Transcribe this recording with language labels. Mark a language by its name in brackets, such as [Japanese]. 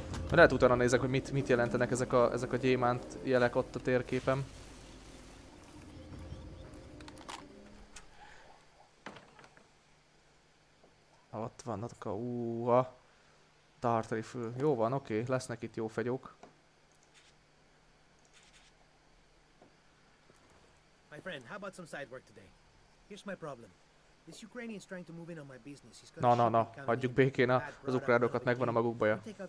[Hungarian] Lehet utána nézek, hogy mit jelentenek ezek a gyémánt jelek ott a térképen. Ott vannak a úha. Tartali fül. Jó van, oké, lesznek itt jó fegyók. [English] My friend, how about some side work today? Here's my problem. This Ukrainian's trying to move in on my business. He's got [Hungarian] na, hagyjuk békén az ukránokat, megvan a maguk baja.